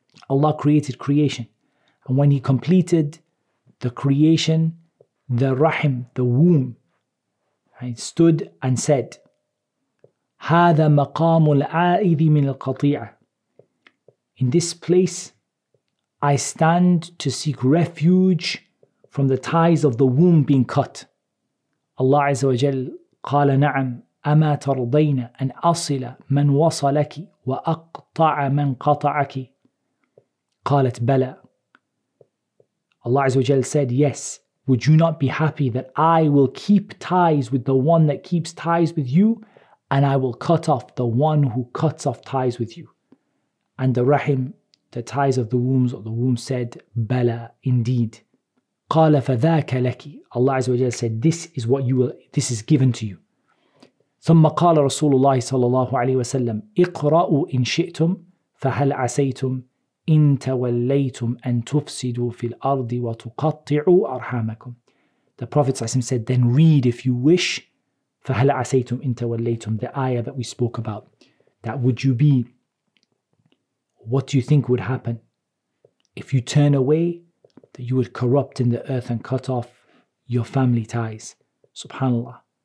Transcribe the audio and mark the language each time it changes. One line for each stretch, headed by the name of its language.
English: Allah created creation, and when he completed the creation, the rahim, the womb, he stood and said,
Arabic: هذا مقام العائذ من القطيعة.
English: In this place, I stand to seek refuge from the ties of the womb being cut.
Arabic: Allah Azza wa Jal قال نعم أما ترضين أن أصل من وصلك وأقطع من قطعك. قالت بلى.
English: Allah Azza wa Jal said, yes, would you not be happy that I will keep ties with the one that keeps ties with you, and I will cut off the one who cuts off ties with you? And the rahim, the ties of the wombs or the womb, said, بلى, indeed.
Arabic: قال فذاك لك.
English: Allah Azza wa Jal said, this is given to you.
Arabic: ثم قال رسول الله صلى الله عليه وسلم اقرأوا إن شئتم فهل عسيتم إن توليتم أن تفسدوا في الأرض وتقطعوا أرحامكم.
English: The Prophet said, then read if you wish.
Arabic: فَهَلْ عَسَيْتُمْ إِن تَوَلَّيْتُمْ,
English: the ayah that we spoke about. That would you be, what do you think would happen if you turn away, that you would corrupt in the earth and cut off your family ties. SubhanAllah.